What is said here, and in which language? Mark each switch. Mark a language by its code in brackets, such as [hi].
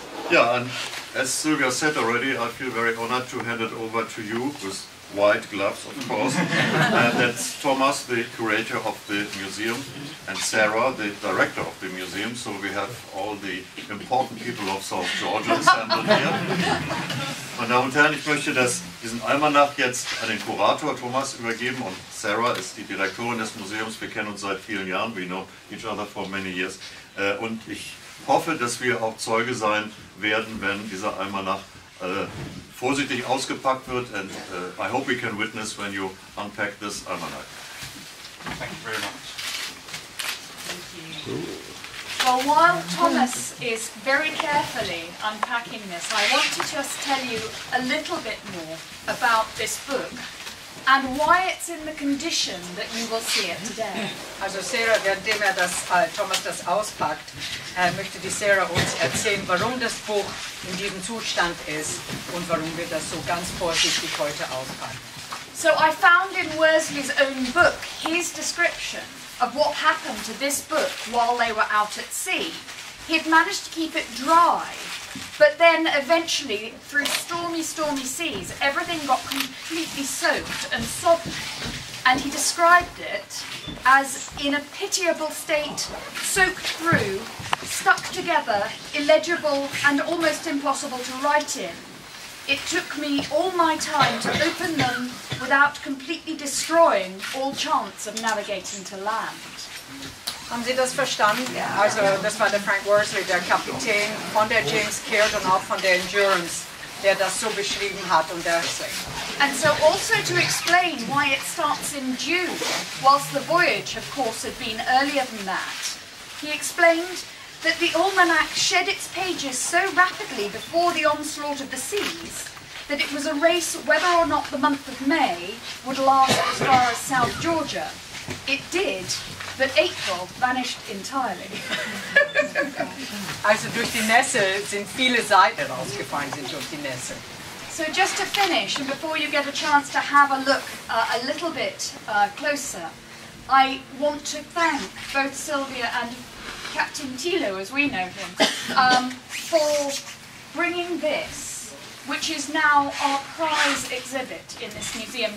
[en] Yeah, and as Silvia said already, I feel very honored to hand it over to you with white gloves, of course. And that's Thomas, the curator of the museum, and Sarah, the director of the museum. So we have all the important people of South Georgia assembled here. [de] Meine Damen und Herren, ich möchte diesen Almanach jetzt an den Kurator Thomas übergeben. Und Sarah ist die Direktorin des Museums. Wir kennen uns seit vielen Jahren. [en] We know each other for many years. [de] Und ich hoffe, dass wir auch Zeuge sein werden, wenn dieser Almanach vorsichtig ausgepackt wird. [en] And I hope we can witness when you unpack this Almanach. Thank you very much. Well, while Thomas is very carefully unpacking this, I want to just tell you a little bit more about this book and why it's in the condition that you will see it today. [de] Also Sarah, währenddem Thomas das auspackt, möchte die Sarah uns erzählen, warum das Buch in diesem Zustand ist und warum wir das so ganz vorsichtig heute auspacken. [en] So I found in Worsley's own book his description of what happened to this book while they were out at sea. He'd managed to keep it dry, but then eventually, through stormy seas, everything got completely soaked and sodden. And he described it as in a pitiable state, soaked through, stuck together, illegible and almost impossible to write in. It took me all my time to open them without completely destroying all chance of navigating to land. [de] Haben Sie das verstanden? [en] Yeah. [de] Also das war der Frank Worsley, der Kapitän von der James Caird und auch von der Endurance, der das so beschrieben hat und der sagt. [en] And so also to explain why it starts in June, whilst the voyage, of course, had been earlier than that, he explained that the almanac shed its pages so rapidly before the onslaught of the seas that it was a race whether or not the month of May would last as far as South Georgia. It did, but April vanished entirely. [de] Also durch die Nässe sind viele Seiten rausgefallen sind durch die Nässe. [en] So just to finish, and before you get a chance to have a look a little bit closer, I want to thank both Silvia and Captain Tilo, as we know him, for bringing this, which is now our prize exhibit in this museum.